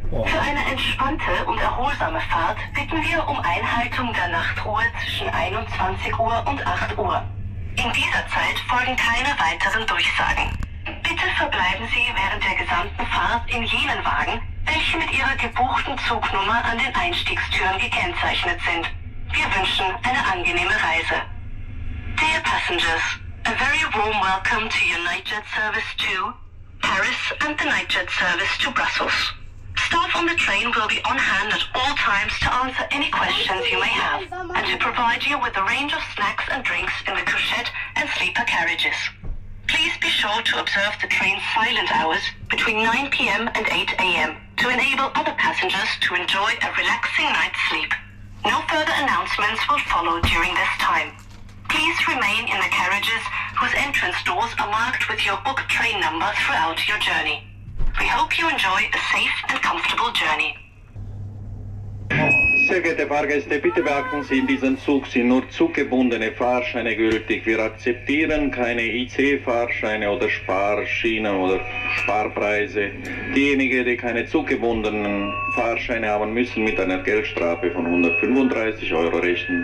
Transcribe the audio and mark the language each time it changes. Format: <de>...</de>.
<de>Für eine entspannte und erholsame Fahrt bitten wir um Einhaltung der Nachtruhe zwischen 21 Uhr und 8 Uhr. In dieser Zeit folgen keine weiteren Durchsagen. Bitte verbleiben Sie während der gesamten Fahrt in jenen Wagen, welche mit Ihrer gebuchten Zugnummer an den Einstiegstüren gekennzeichnet sind. Wir wünschen eine angenehme Reise.</de> <en>Dear passengers, a very warm welcome to your Nightjet service to Paris and the Nightjet service to Brussels. Staff on the train will be on hand at all times to answer any questions you may have and to provide you with a range of snacks and drinks in the couchette and sleeper carriages. Please be sure to observe the train's silent hours between 9 p.m. and 8 a.m. to enable other passengers to enjoy a relaxing night's sleep. No further announcements will follow during this time. Please remain in the carriages whose entrance doors are marked with your booked train number throughout your journey. We hope you enjoy a safe and comfortable journey.</en> <de>Sehr geehrte Fahrgäste, bitte beachten Sie, in diesem Zug sind nur zuggebundene Fahrscheine gültig. Wir akzeptieren keine IC-Fahrscheine oder Sparschienen oder Sparpreise. Diejenigen, die keine zuggebundenen Fahrscheine haben, müssen mit einer Geldstrafe von 135 Euro rechnen.</de>